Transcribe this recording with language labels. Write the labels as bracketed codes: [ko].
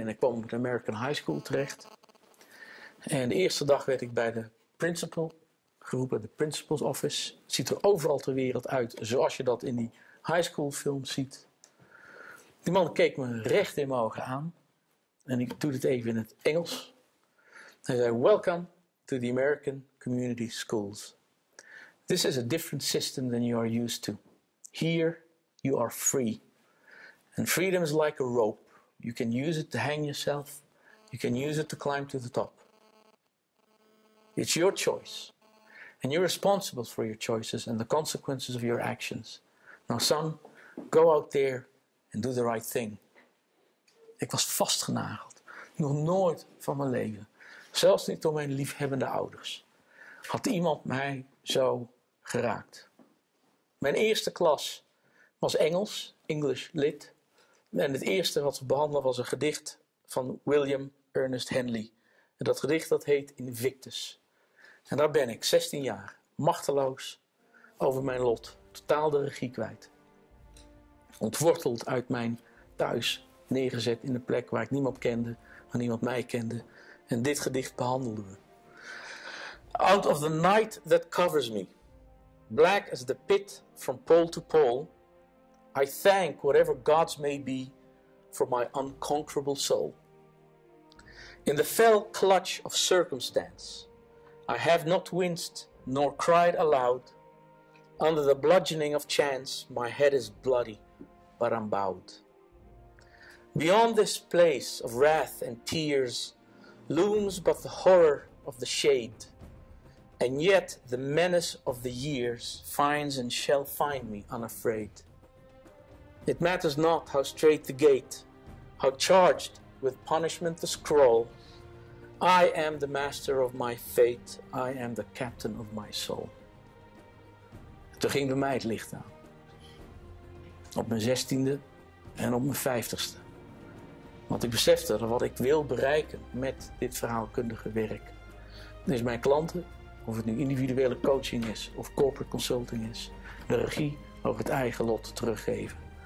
[nl] En ik kwam op de American High School terecht. En de eerste dag werd ik bij de principal geroepen, de principal's office. Het ziet er overal ter wereld uit zoals je dat in die high school films ziet. Die man keek me recht in mijn ogen aan. En ik doe dit even in het Engels. Hij zei: [en] "Welcome to the American Community Schools. This is a different system than you are used to. Here, you are free. And freedom is like a rope. You can use it to hang yourself. You can use it to climb to the top. It's your choice. And you're responsible for your choices and the consequences of your actions. Now, son, go out there and do the right thing." [nl] Ik was vastgenageld. Nog nooit van mijn leven. Zelfs niet door mijn liefhebbende ouders. Had iemand mij zo geraakt. Mijn eerste klas was Engels, English Lit. En het eerste wat we behandelden was een gedicht van William Ernest Henley. En dat gedicht dat heet Invictus. En daar ben ik, 16 jaar, machteloos over mijn lot. Totaal de regie kwijt. Ontworteld uit mijn thuis, neergezet in een plek waar ik niemand kende, waar niemand mij kende. En dit gedicht behandelden we. [en] "Out of the night that covers me, black as the pit from pole to pole, I thank whatever gods may be for my unconquerable soul. In the fell clutch of circumstance, I have not winced nor cried aloud. Under the bludgeoning of chance, my head is bloody, but I'm bowed. Beyond this place of wrath and tears looms but the horror of the shade. And yet the menace of the years finds and shall find me unafraid. It matters not how straight the gate, how charged with punishment the scroll. I am the master of my fate, I am the captain of my soul." [nl] Toen ging bij mij het licht aan. Op mijn 16e en op mijn 50e. Want ik besefte dat wat ik wil bereiken met dit verhaalkundige werk is mijn klanten, of het nu individuele coaching is of corporate consulting is, de regie over het eigen lot teruggeven.